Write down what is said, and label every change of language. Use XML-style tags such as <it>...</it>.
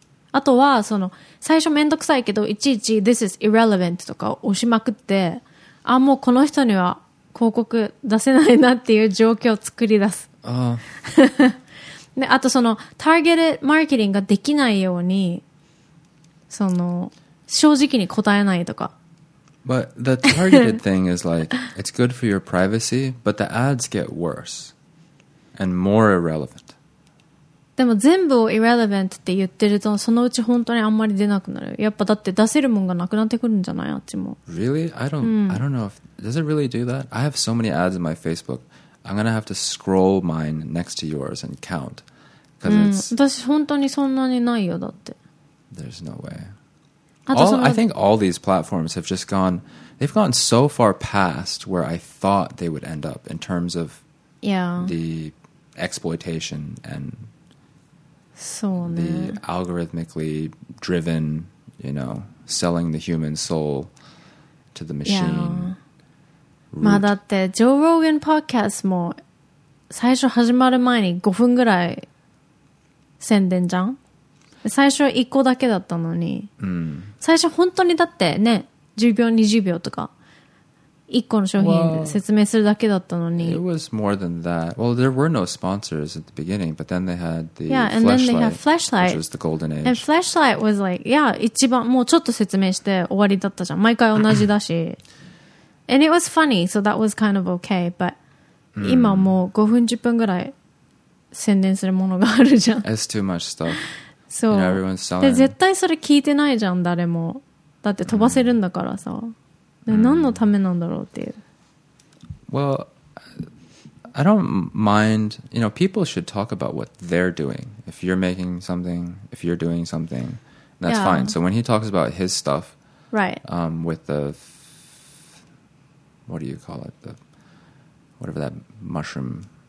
<ja>あとはその最初めんどくさいけどいちいち</ja> <en>This is irrelevant</en> <ja>とか押しまくってあもうこの人には広告出せないなっていう状況を作り出す。であとそのターゲットマーケティングができないようにその正直に答えないとか。</ja> <en>But the targeted thing is like, it's good for your privacy, but the ads get worse and more irrelevant.</en> <ja>でも全部を irrelevant って言ってるとそのうち本当にあんまり出なくなる。やっぱだって出せるもんがなくなってくるんじゃない？あっちも。</ja> <en>Really? I don't know if, does it really do that? I have so many ads in my Facebook. I'm going to have to scroll mine next to yours and count. Cause it's,</en> <ja>私本当にそんなにないよだって。</ja> <en>There's no way. All, I think all these platforms have just gone, they've gone so far past where I thought they would end up in terms of the exploitation and the algorithmically driven, you know, selling the human soul to the machine.</en> <ja>まあだって Joe Rogan podcast も最初始まる前に5分ぐらい宣伝じゃん。最初1個だけだったのに、うん、最初本当にだってね10秒20秒とか1個の商品説明するだけだったのに、</ja> <en>well, it was more than that. Well, there were no sponsors at the beginning, but then they had the flashlight, which was the golden age. And flashlight was like, yeah,</en> <ja>一番もうちょっと説明して終わりだったじゃん。毎回同じだし。</ja> <en>And it was funny, so that was kind of okay, but</en> <ja>今もう5分10分ぐらい宣伝するものがあるじゃん。</ja> <en>It's too much stuff.</en> <ja>そう。</ja> <en>You know, everyone's selling.</en> <ja>で絶対それ聞いてないじゃん誰も。だって飛ばせるんだからさ。で何のためなんだろうっていう。</ja> <en>Well, I don't mind. You know, people should talk about what they're doing. If you're making something, if you're doing something, that's fine. So when he talks about his stuff, right? With the what do you call it? The whatever that mushroom</en>